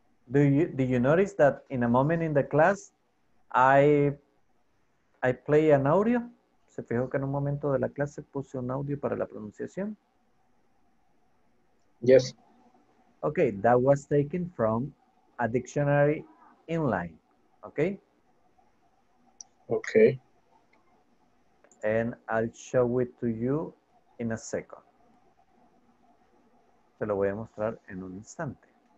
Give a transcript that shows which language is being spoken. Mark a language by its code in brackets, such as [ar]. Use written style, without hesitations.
[en] Do you notice that in a moment in the class, I play an audio? [es] ¿Se fijó que en un momento de la clase puse un audio para la pronunciación? [en] Yes. Okay, that was taken from a dictionary inline. Okay? Okay. And I'll show it to you in a second. [es] Te lo voy a mostrar en un instante.